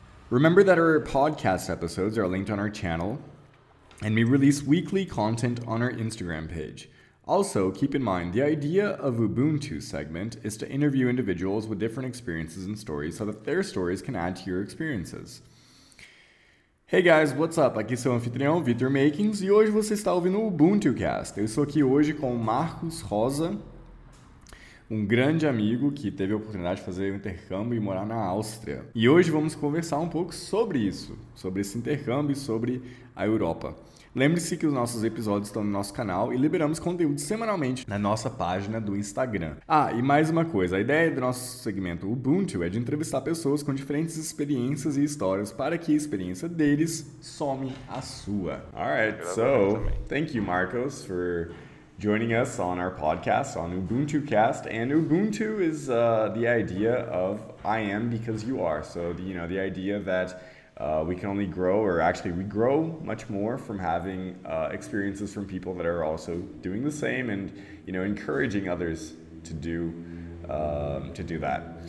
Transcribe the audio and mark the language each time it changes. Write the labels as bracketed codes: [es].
[en] Remember that our podcast episodes are linked on our channel, and we release weekly content on our Instagram page. Also, keep in mind, the idea of Ubuntu segment is to interview individuals with different experiences and stories so that their stories can add to your experiences. Hey guys, what's up? [pt] Aqui sou o anfitrião, Victor Makins, e hoje você está ouvindo o UbuntuCast. Eu estou aqui hoje com o Marcos Rosa, um grande amigo que teve a oportunidade de fazer um intercâmbio e morar na Áustria. E hoje vamos conversar um pouco sobre isso, sobre esse intercâmbio e sobre a Europa. Lembre-se que os nossos episódios estão no nosso canal e liberamos conteúdo semanalmente na nossa página do Instagram. Ah, e mais uma coisa, a ideia do nosso segmento Ubuntu é de entrevistar pessoas com diferentes experiências e histórias para que a experiência deles some a sua. [en] All right, so thank you, Marcos, for joining us on our podcast, on UbuntuCast. And Ubuntu is the idea of I am because you are. So, you know, the idea that we can only grow, or actually we grow much more from having experiences from people that are also doing the same and, you know, encouraging others to do that.